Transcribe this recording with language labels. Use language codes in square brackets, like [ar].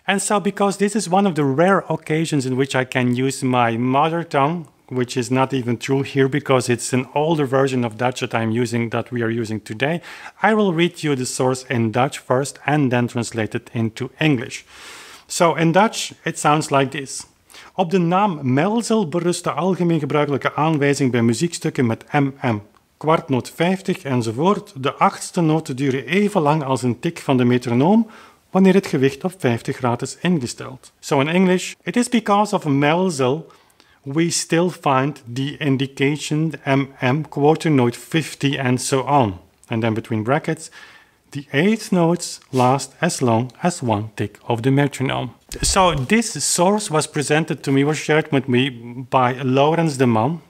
[en] And so because this is one of the rare occasions in which I can use my mother tongue, which is not even true here because it's an older version of Dutch that I'm using, that we are using today, I will read you the source in Dutch first and then translate it into English. So in Dutch, it sounds like this. [nl] Op de naam Melzel berust de algemeen gebruikelijke aanwijzing bij muziekstukken met MM. Kwartnoot 50 enzovoort, de achtste noten duren even lang als een tik van de metronoom wanneer het gewicht op 50 graden is ingesteld. [en] So in English, it is because of Melzel we still find the indication MM, kwartnoot 50 and so on. And then between brackets, the eighth notes last as long as one tick of the metronome. So this source was presented to me, was shared with me by Laurens de Man.